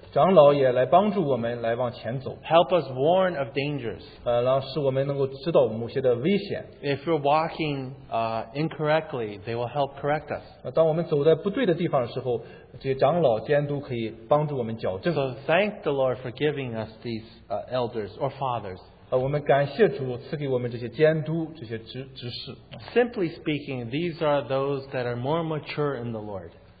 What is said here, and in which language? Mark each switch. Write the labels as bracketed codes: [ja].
[zh] 长老也来帮助我们来往前走. [en] Help us warn of dangers. [zh] 然后使我们能够知道某些的危险. [en] If we're walking incorrectly, they will help correct us. [zh] 当我们走在不对的地方的时候, 这些长老监督可以帮助我们矫正。 [en] So thank the Lord for giving us these elders or fathers. [zh] 我们感谢主赐给我们这些监督这些执事。 [en] Simply speaking, these are those that are more mature in the Lord.